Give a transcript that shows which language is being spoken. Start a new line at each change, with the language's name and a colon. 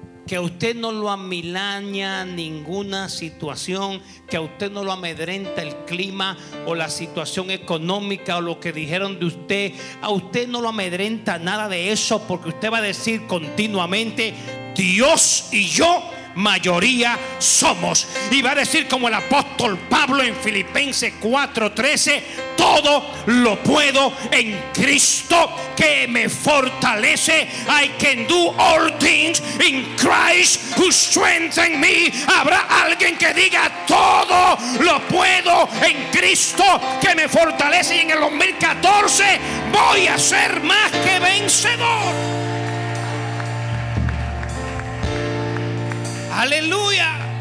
Spanish: que a usted no lo amilaña ninguna situación, que a usted no lo amedrenta el clima o la situación económica o lo que dijeron de usted, a usted no lo amedrenta nada de eso, porque usted va a decir continuamente: Dios y yo mayoría somos. Y va a decir como el apóstol Pablo en Filipenses 4:13: todo lo puedo en Cristo que me fortalece.
English: I can do all things in Christ who strengthens me.
Spanish: Habrá alguien que diga: todo lo puedo en Cristo que me fortalece. Y en el 2014 voy a ser más que vencedor. Aleluya.